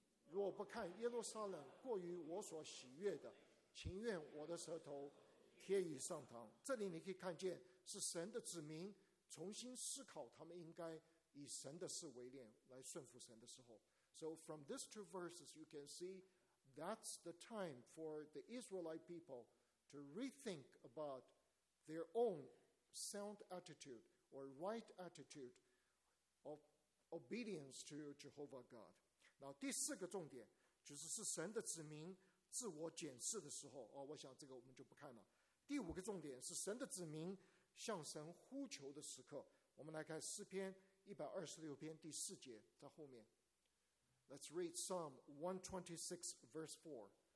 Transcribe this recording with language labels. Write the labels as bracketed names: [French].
[Chinese] 若不看耶路撒冷过于我所喜悦的，情愿我的舌头贴于上膛。这里你可以看见是神的子民重新思考他们应该以神的事为念，来顺服神的时候。 [English] So from these two verses you can see that's the time for the Israelite people to rethink about their own sound attitude or right attitude of obedience to Jehovah God. [Chinese] 那第四个重点就是是神的子民自我检视的时候，我想这个我们就不看了。第五个重点是神的子民向神呼求的时刻，我们来看诗篇126篇第四节在后面。 [English] Let's read Psalm 126 verse 4。